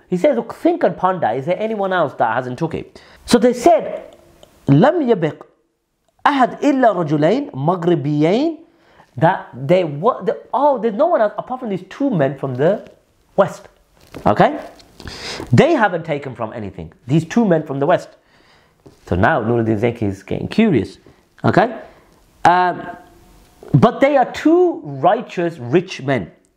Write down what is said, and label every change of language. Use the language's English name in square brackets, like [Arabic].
[English] He says, look, think and ponder. Is there anyone else that hasn't took it? So they said, [Arabic] لم يبق أحد إلا رجلين مغربيين. [English] That they what? They, oh, there's no one else apart from these two men from the West. Okay, they haven't taken from anything. These two men from the West. So now Nuruddin Zenki is getting curious. Okay, but they are two righteous, rich men.